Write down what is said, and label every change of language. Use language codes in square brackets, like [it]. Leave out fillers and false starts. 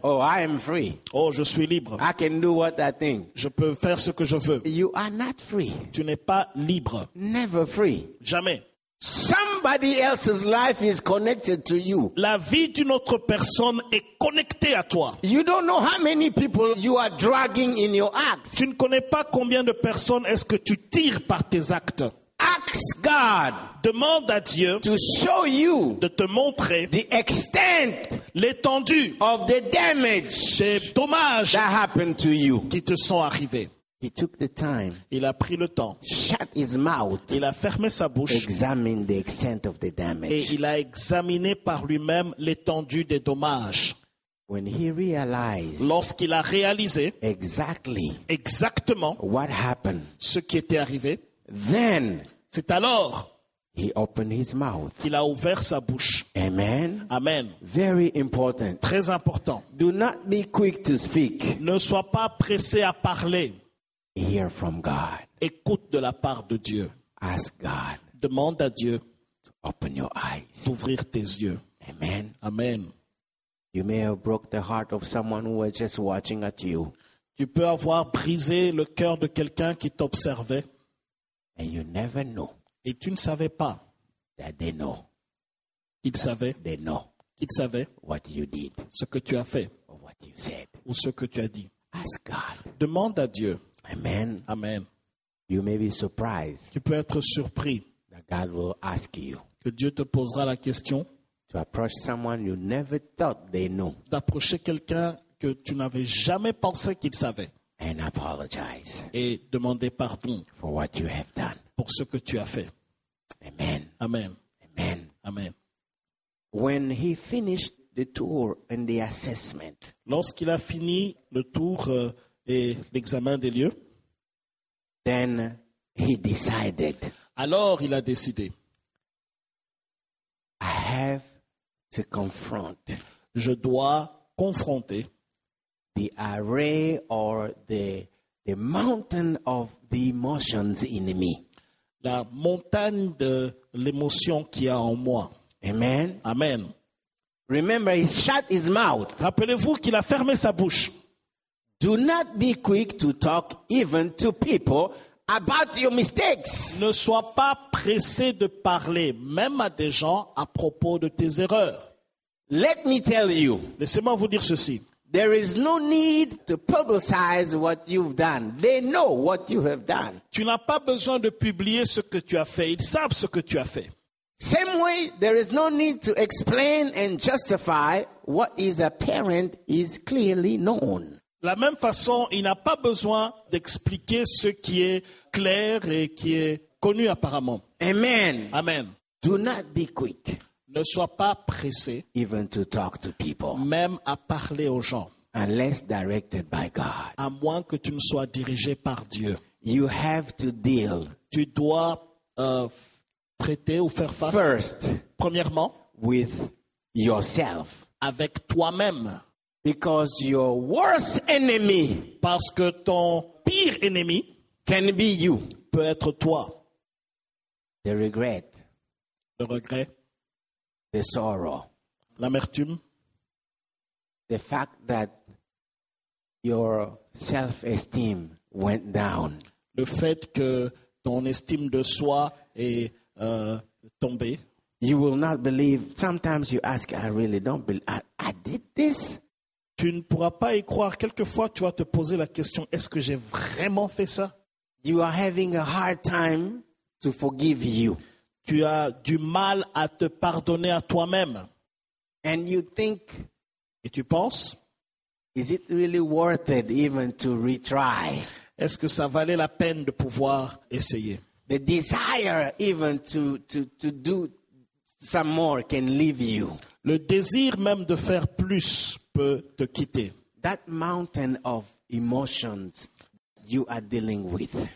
[en] Oh, I am free. [fr] Oh, je suis libre. [en] I can do what I think. [fr] Je peux faire ce que je veux. [en] You are not free. [fr] Tu n'es pas libre. [en] Never free. [fr] Jamais. [en] Somebody else's life is connected to you. [fr] La vie d'une autre personne est connectée à toi. [en] You don't know how many people you are dragging in your acts. [fr] Tu ne connais pas combien de personnes est-ce que tu tires par tes actes. [en] Ask God. [fr] Demande à Dieu [en] to show you [fr] de te montrer [en] the extent, [fr] l'étendue [en] of the damage, [fr] des dommages [en] that happened to you, [fr] qui te sont arrivés. [en] He took the time. [fr] Il a pris le temps. [en] Shut his mouth. [fr] Il a fermé sa bouche. [en] Examine the extent of the damage. [fr] Et il a examiné par lui-même l'étendue des dommages. [en] When he realized, [fr] lorsqu'il a réalisé [en] exactly, [fr] exactement [en] what happened, [fr] ce qui était arrivé, [en] then, [fr] c'est alors, [en] he opened his mouth. [fr] Il a ouvert sa bouche. [en] Amen. [fr] Amen. [en] Very important. [fr] Très important. [en] Do not be quick to speak. [fr] Ne sois pas pressé à parler. [en] Hear from God. [fr] Écoute de la part de Dieu. [en] Ask God. [fr] Demande à Dieu. [en] To open your eyes. [fr] D'ouvrir tes yeux. [en] Amen. [fr] Amen. [en] You may have broke the heart of someone who was just watching at you. [fr] Tu peux avoir brisé le cœur de quelqu'un qui t'observait. [en] And you never know. [fr] Et tu ne savais pas. [en] That they know. [fr] Ils savaient. [en] They know. [fr] Ils savaient. [en] What you did. [fr] Ce que tu as fait. [en] Or what you said. [fr] Ou ce que tu as dit. [en] Ask God. [fr] Demande à Dieu. [en] Amen. [fr] Amen. [en] You may be surprised. [fr] Tu peux être surpris. [en] That God will ask you. [fr] Que Dieu te posera la question. [en] To approach someone you never thought they know. [fr] D'approcher quelqu'un que tu n'avais jamais pensé qu'il savait. [en] And apologize. [fr] Et demander pardon. [en] For what you have done. [fr] Pour ce que tu as fait. [en] Amen. [fr] Amen. [en] Amen. [fr] Amen. [en] When he finished the tour and the assessment. [fr] Lorsqu'il a fini le tour. Et l'examen des lieux. [en] Then he decided. [fr] Alors il a décidé. [en] I have to confront. [fr] Je dois confronter. [en] The array or the mountain of the emotions in me. [fr] La montagne de l'émotion qu'il y a en moi. [en] Amen. [fr] Amen. [en] Remember, he shut his mouth. [fr] Rappelez-vous qu'il a fermé sa bouche. [en] Do not be quick to talk even to people about your mistakes. [fr] Ne sois pas pressé de parler même à des gens à propos de tes erreurs. [en] Let me tell you. [fr] Laissez-moi vous dire ceci. [en] There is no need to publicize what you've done. They know what you have done. [fr] Tu n'as pas besoin de publier ce que tu as fait. Ils savent ce que tu as fait. [en] Same way, there is no need to explain and justify what is apparent is clearly known. [fr] La même façon, il n'a pas besoin d'expliquer ce qui est clair et qui est connu apparemment. [en] Amen. [fr] Amen. [en] Do not be quick. [fr] Ne sois pas pressé. [en] Even to talk to people. [fr] Même à parler aux gens. [en] Unless directed by God. [fr] À moins que tu ne sois dirigé par Dieu. [en] You have to deal. [fr] Tu dois traiter ou faire face. [en] First. [fr] Premièrement. [en] With yourself. [fr] Avec toi-même. [en] Because your worst enemy, [fr] parce que ton pire ennemi, [en] can be you, [fr] peut être toi. [en] The regret, [fr] le regret, [en] the sorrow, [fr] l'amertume, [en] the fact that your self-esteem went down, [fr] le fait que ton estime de soi est tombée. [en] You will not believe. Sometimes you ask, I really don't believe. I did this. [fr] Tu ne pourras pas y croire. Quelquefois, tu vas te poser la question, est-ce que j'ai vraiment fait ça? [en] You are having a hard time to forgive you. [fr] Tu as du mal à te pardonner à toi-même. [en] And you think, [fr] et tu penses, [en] is it really worth it even to retry? [fr] Est-ce que ça valait la peine de pouvoir essayer? [en] The desire even to do some more can leave you. [fr] Le désir même de faire plus peut te quitter. [en] That mountain of emotions you are dealing with.